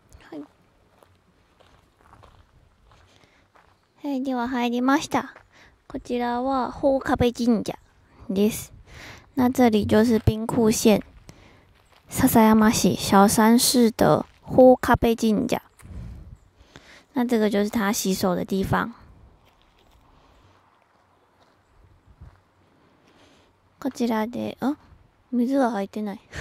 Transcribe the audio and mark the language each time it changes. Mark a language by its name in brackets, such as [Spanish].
[Japanese] はい。はい、では入りました。こちらは法壁神社です。 [Chinese] 那这里就是兵库县。篠山市小山市的法壁神社，那这个就是他洗手的地方。 [Japanese] こちらで、あ、水は入ってない。